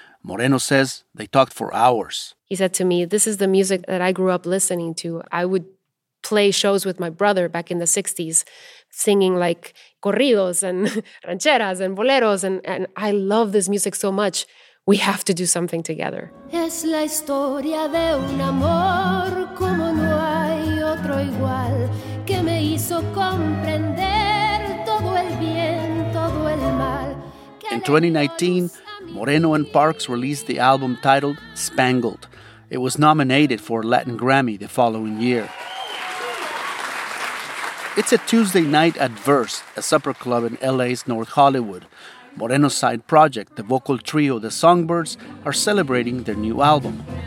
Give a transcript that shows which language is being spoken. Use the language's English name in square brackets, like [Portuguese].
[English] Moreno says they talked for hours. He said to me, this is the music that I grew up listening to. I would play shows with my brother back in the 60s, singing like corridos and rancheras and boleros. And I love this music so much. We have to do something together. [Spanish] Es la historia de un amor como no hay otro igual que me hizo comprender todo el bien, todo el mal. [English] In 2019, Moreno and Parks released the album titled Spangled. It was nominated for a Latin Grammy the following year. It's a Tuesday night at Verse, a supper club in LA's North Hollywood. Moreno's side project, the vocal trio The Songbirds, are celebrating their new album.